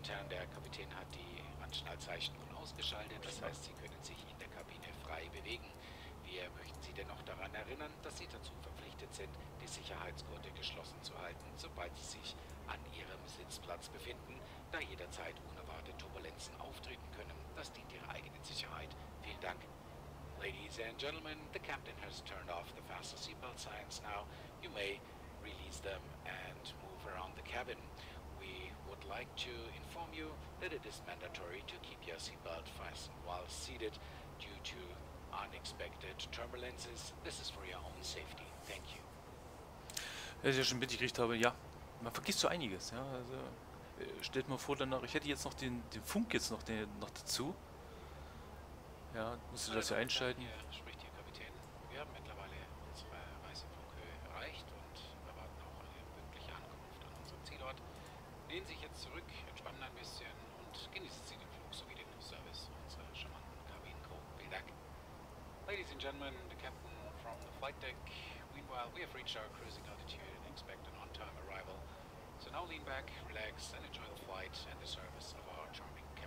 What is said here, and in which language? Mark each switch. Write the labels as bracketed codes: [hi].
[de] Der Kapitän hat die Anschnallzeichen nun ausgeschaltet, das heißt, Sie können sich in der Kabine frei bewegen. Wir möchten Sie dennoch daran erinnern, dass Sie dazu verpflichtet sind, die Sicherheitsgurte geschlossen zu halten, sobald Sie sich an Ihrem Sitzplatz befinden, da jederzeit unerwartete Turbulenzen auftreten können. Das dient Ihrer eigenen Sicherheit. Vielen Dank. [en] Ladies and gentlemen, the captain has turned off the fasten seatbelt signs now. You may release them and move around the cabin. We would like to inform you that it is mandatory to keep your seatbelt fastened while seated due to unexpected turbulences. This is for your own safety. Thank you. [de] Was ich ja schon mitgekriegt habe, ja, man vergisst so einiges, ja. Also stellt mal vor danach, ich hätte jetzt noch den Funk jetzt noch dazu. Ja, musst du das ja einschalten. Hier spricht hier Kapitän. Wir haben mittlerweile unsere Reisefunkhöhe erreicht und erwarten auch eine pünktliche Ankunft an unserem Zielort. Lehnen Sie sich jetzt zurück, entspannen ein bisschen und genießen Sie den Flug sowie den Service unserer charmanten Kabinencrew. Vielen Dank. [en] Ladies and gentlemen, the captain from the flight deck. Meanwhile, we have reached our cruising altitude and expect an on-time arrival. So now lean back, relax and enjoy the flight and the service of our charming.